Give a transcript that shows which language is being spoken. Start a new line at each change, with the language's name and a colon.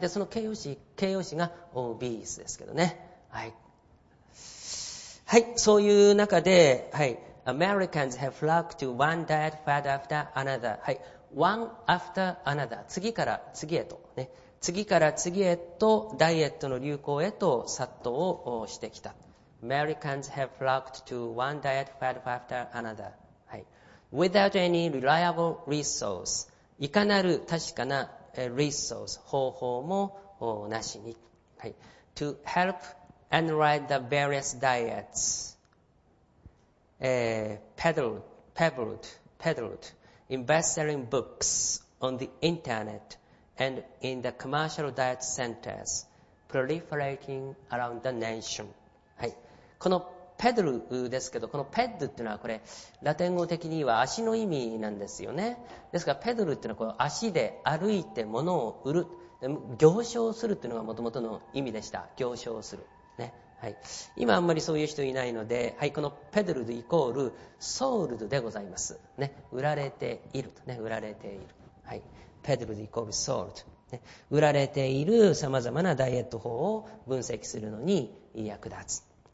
Japanese: でその形容詞が obese ですけどね、はい、はい、そういう中で、はい、
English: Americans have flocked to one diet fad after another、
Japanese: はい、
English: one after another、
Japanese: 次から次へとね、次から次へとダイエットの流行へと殺到をしてきた。
English: Americans have flocked to one diet fad after another、はい、without any reliable resource、
Japanese: いかなる確かな
English: resource、
Japanese: 方法もなしに、
English: はい、to help analyze the various dietspeddled in best-selling books on the internet and in the commercial diet centers proliferating around the nation、はい、
Japanese: このペドルですけど、このペッドっていうのはこれラテン語的には足の意味なんですよね。ですからペドルっていうのはこの足で歩いて物を売る、行商するっていうのがもともとの意味でした。行商するね、はい、今あんまりそういう人いないので、はい、このペドルドイコールソールドでございます、ね、売られていると、ね、売られている、はい、ペドルドイコールソールド、ね、売られているさまざまなダイエット法を分析するのに役立つ。